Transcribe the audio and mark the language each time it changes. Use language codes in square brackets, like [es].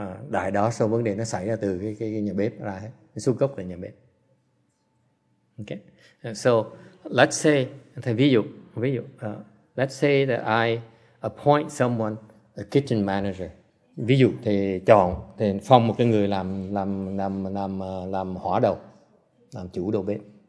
[vi] Đại đa số vấn đề nó xảy ra từ cái nhà bếp ra hết. Cái xuống cấp là nhà bếp. [en] Okay, and so let's say let's say that I appoint someone a kitchen manager. [vi] Ví dụ thì phong một cái người làm hỏa đầu, làm chủ đầu bếp.